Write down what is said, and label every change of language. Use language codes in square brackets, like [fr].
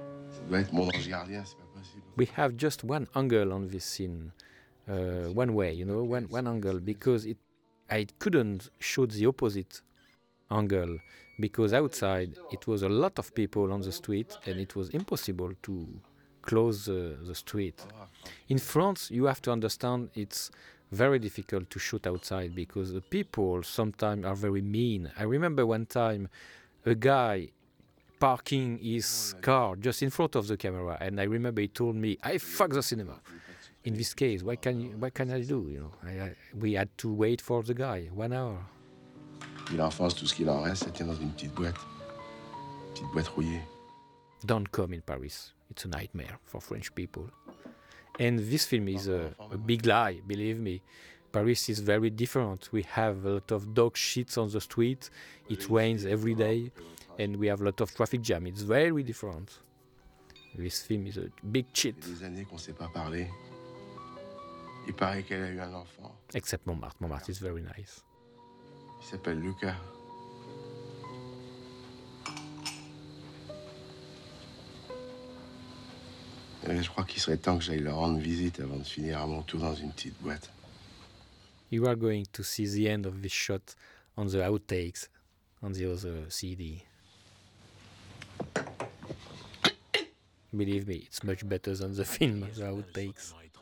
[fr] Ça doit être mon ange gardien, c'est pas possible. [en] We have just one angle on this scene. One way, you know, one angle, because I couldn't shoot the opposite angle, because outside it was a lot of people on the street and it was impossible to close the street. In France, you have to understand, it's very difficult to shoot outside, because the people sometimes are very mean. I remember one time a guy parking his car just in front of the camera, and I remember he told me, "I fuck the cinema." In this case, what can I do? You know, we had to wait for the guy 1 hour. [fr] Il enfonce tout ce qu'il en reste, ça tient dans une petite boîte. Petite boîte rouillée. [en] Don't come in Paris. It's a nightmare for French people. And this film is a big lie, believe me. Paris is very different. We have a lot of dog shits on the street. It rains every day. And we have a lot of traffic jam. It's very different. This film is a big cheat. [fr] Des années qu'on ne s'est pas parlé. Il paraît qu'elle a eu un enfant. [en] Except Montmartre. Montmartre is very nice. [fr] Il s'appelle Lucas. Et je crois qu'il serait temps que j'aille leur rendre visite avant de finir à mon tour dans une petite boîte. [en] You are going to see the end of this shot on the outtakes on the other CD. Believe me, it's much better than the film, the outtakes.